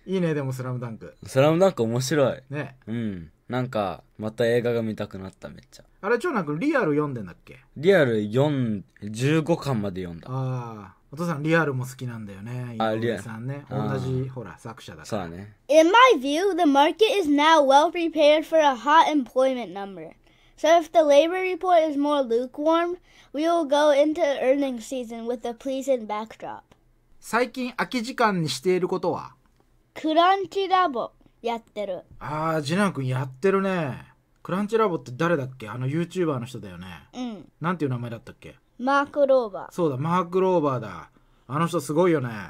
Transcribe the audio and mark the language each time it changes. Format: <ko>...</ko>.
<ja>いいね、でもスラムダンク。スラムダンク面白い。ね。うん。なんか、また映画が見たくなった、めっちゃ。あれ、長男くん、リアル読んでんだっけ？リアル15巻まで読んだ。ああ。お父さんリアルも好きなんだよね。あ、リアルさんね、同じほら作者だから。そうだね。</ja> <en>In my view, the market is now well prepared for a hot employment number. So if the labor report is more lukewarm, we will go into earnings season with a pleasant backdrop.</en> <ja>最近空き時間にしていることは？クランチラボやってる。ああ、次男くんやってるね。クランチラボって誰だっけ？あのユーチューバーの人だよね。うん。なんていう名前だったっけ？マーク・ローバー。そうだ、マーク・ローバーだ。あの人すごいよね。</ja>